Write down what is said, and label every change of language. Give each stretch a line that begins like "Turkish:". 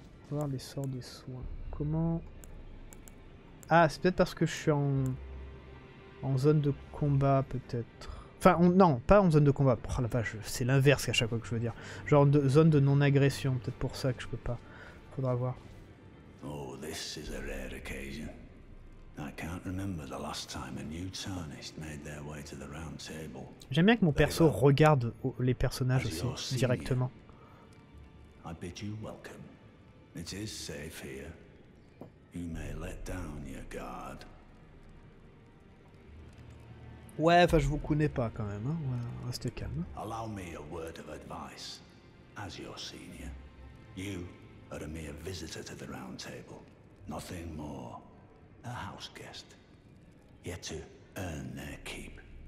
French: Voir les sorts des soins. Comment. Ah, c'est peut-être parce que je suis en zone de combat, peut-être. Enfin, non, pas en zone de combat. Oh la vache, c'est l'inverse à chaque fois que je veux dire. Genre de zone de non-agression, peut-être pour ça que je peux pas. Faudra voir.
English: Oh, this is a rare occasion. I can't remember the last time a new tarnished made their way to the round table.
French: J'aime bien que mon perso regarde les personnages aussi directement.
English: I bid you welcome. It is safe here. You may let down your guard.
French: Ouais, enfin je vous connais pas quand même, hein. Restez calme.
English: Allow me a word of advice. As your senior, you are a mere visitor to the round table. Nothing more. A house guest, yet to earn their keep.